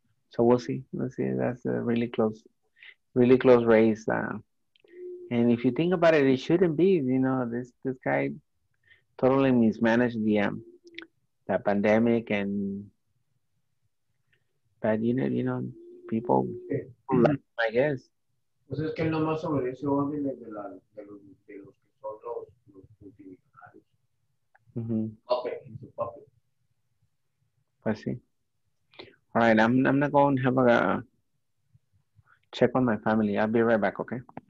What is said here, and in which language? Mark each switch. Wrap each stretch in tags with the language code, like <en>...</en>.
<en>So we'll see. We'll see. That's a really close race. And if you think about it, it shouldn't be. You know, this guy totally mismanaged the pandemic and. But you know, people like him, I guess.</en> <es>Pues es que él nomás obedece órdenes de la de los de los que son los multimillonarios. Okay, su papel. Pues sí.</es> <en>All right, I'm gonna go and have a check on my family. I'll be right back, okay?</en>